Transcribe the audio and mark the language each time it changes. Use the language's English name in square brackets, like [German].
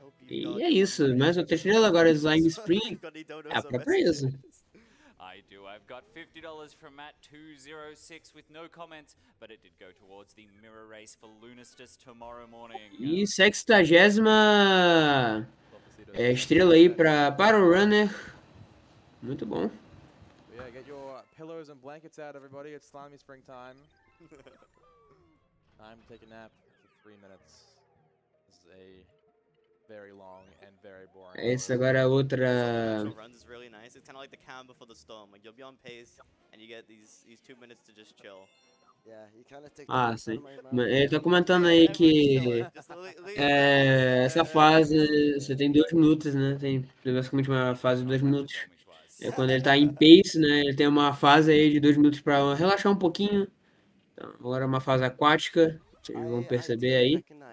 [Portuguese] E é isso, mais uma estrela, agora é Slime Spring, é a própria isso. [English] I do, I've got $50 from Matt206 with no comments, but it did go towards the mirror race for Lunastus tomorrow morning. [Portuguese] E 60ª estrela aí para o runner. Muito bom. [English] Yeah, get your pillows and blankets out, everybody, it's Slime Spring time. Time to take a nap for 3 minutes. This is a... very long and very boring. [Portuguese] Esse agora outra. [English] Runs is really nice. It's kind of like the calm before the storm. Like you'll be on pace and you get these 2 minutes to just chill. [Portuguese] Ah, sim. Ele tá comentando aí que essa fase, você tem 2 minutos, né? Tem basicamente uma fase de 2 minutos. É quando ele tá em pace, né? Ele tem uma fase aí de 2 minutos pra relaxar um pouquinho. Então, agora é uma fase aquática, vocês vão perceber aí.